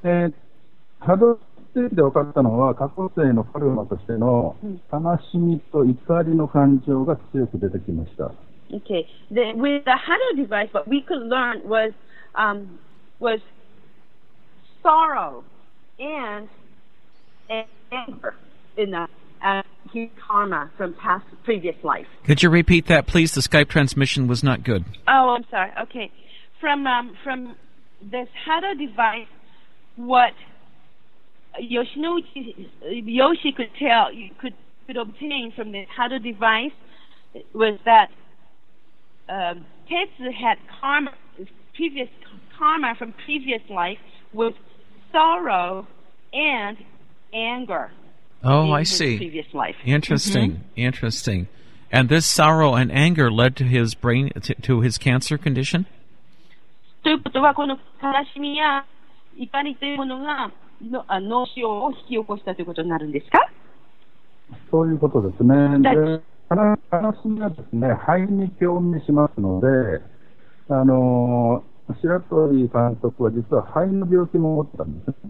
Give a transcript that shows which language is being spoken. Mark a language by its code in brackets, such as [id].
[ja] で分かったのは、過去生のカルマとしての悲しみと怒りの感情が強く出てきました。 [en] Okay. The, with the Hado device, what we could learn was, was sorrow and anger in the karma from past previous life. Could you repeat that, please? The Skype transmission was not good. Oh, I'm sorry. Okay. From this Hado device, what Yoshi could tell, could obtain from the Hado device was that Tetsu had karma, previous karma from previous life with sorrow and anger. Oh, in I his see. Previous life. Interesting, mm-hmm. interesting. And this sorrow and anger led to his brain, to his cancer condition? [ja] ということはこの悲しみや怒りというものが脳腫瘍を引き起こしたということになるんですか？そういうことですね。で、悲しみはですね、肺に共鳴しますので、白鳥監督は実は肺の病気も持ったんです。